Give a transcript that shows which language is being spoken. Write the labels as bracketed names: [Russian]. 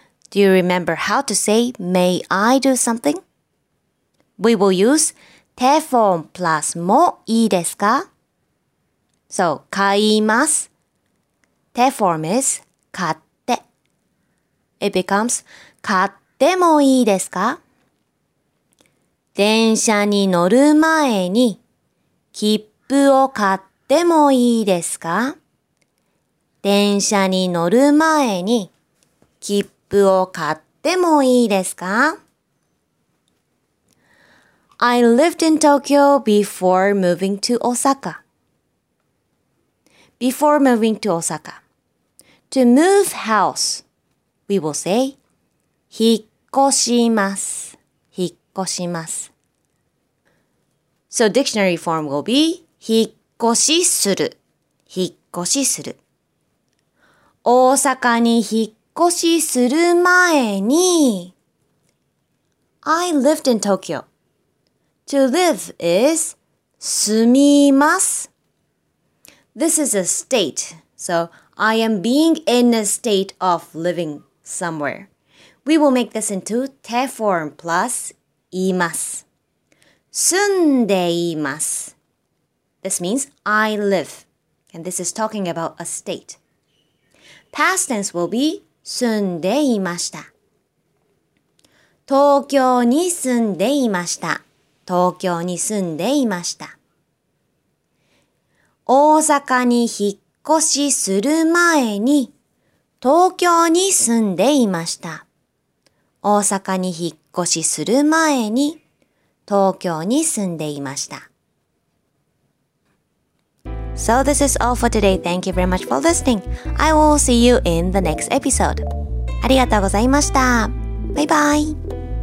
[English] Do you remember how to say may I do something? We will use 手 form plus [Japanese] もいいですか? So, 買います。 [English] The form is [Japanese] 買って。 [English] It becomes [Japanese] 買ってもいいですか?電車に乗る前に切符を買ってもいいですか? 電車に乗る前に切符を買ってもいいですか? [English] I lived in Tokyo before moving to Osaka. Before moving to Osaka. To move house, we will say, [Japanese] 引っ越します。引っ越します。 [English] So dictionary form will be, [Japanese] 引っ越しする。引っ越しする。大阪に引っ越しする前に、 [English] I lived in Tokyo. To live is, [Japanese] 住みます。 [English] This is a state, so,I am being in a state of living somewhere. We will make this into te form plus います。 [Japanese] 住んでいます。 [English] This means I live. And this is talking about a state. Past tense will be [Japanese] 住んでいました。東京に住んでいました。東京に住んでいました。大阪に引っ引っ越しする前に東京に住んでいました。大阪に引っ越しする前に東京に住んでいました。 [English] So this is all for today. Thank you very much for listening. I will see you in the next episode. [Japanese] ありがとうございました。バイバイ。